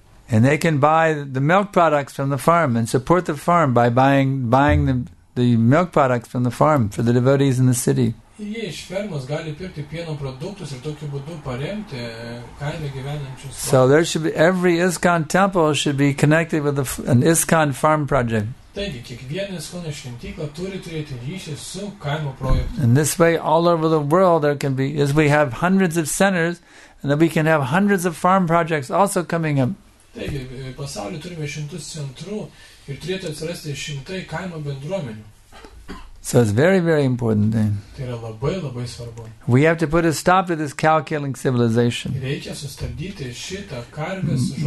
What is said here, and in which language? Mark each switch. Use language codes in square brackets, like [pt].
[en] And they can buy the milk products from the farm and support the farm by buying the milk products from the farm for the devotees in the city. [lt] Ir jie iš fermos gali pirkti pieno produktus ir tokiu būdu paremti kaime gyvenančius. [en] So there should be, every ISKCON temple should be connected with an ISKCON farm project. [lt] Taigi, kiekvienas ISKCON šventykla turi turėti ryšį su kaimo projektu. [en] In this way, all over the world, there can be, as we have hundreds of centers, and then we can have hundreds of farm projects also coming up. [lt] Taigi, pasaulyje turime šimtus centrų ir turėtų atsirasti šimtai kaimo bendruomenių. [en] So it's very, very important then. [lt] Tai yra labai, labai svarbu. [en] We have to put a stop to this cow-killing civilization. [lt] Reikia sustabdyti šitą karvės.